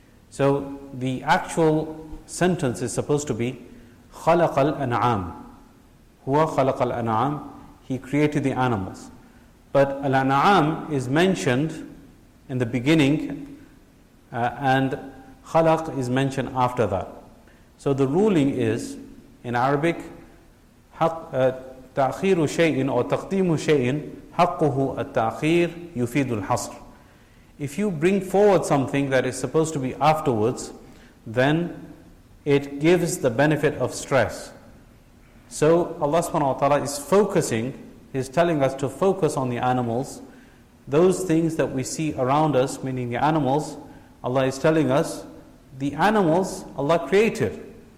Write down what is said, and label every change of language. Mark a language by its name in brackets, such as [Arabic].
[English] So the actual sentence is supposed to be, [Arabic] خَلَقَ الْأَنْعَامِ. هُوَ خَلَقَ الْأَنْعَامِ. [English] He created the animals. But الْأَنْعَامِ is mentioned in the beginning, and خَلَق is mentioned after that. So the ruling is, in Arabic, [Arabic] تأخير شيء أو تقديم شيء حقه التأخير يفيد الحصر. [English] If you bring forward something that is supposed to be afterwards, then it gives the benefit of stress. So Allah subhanahu wa ta'ala is focusing, He's telling us to focus on the animals. Those things that we see around us, meaning the animals, Allah is telling us, the animals Allah created.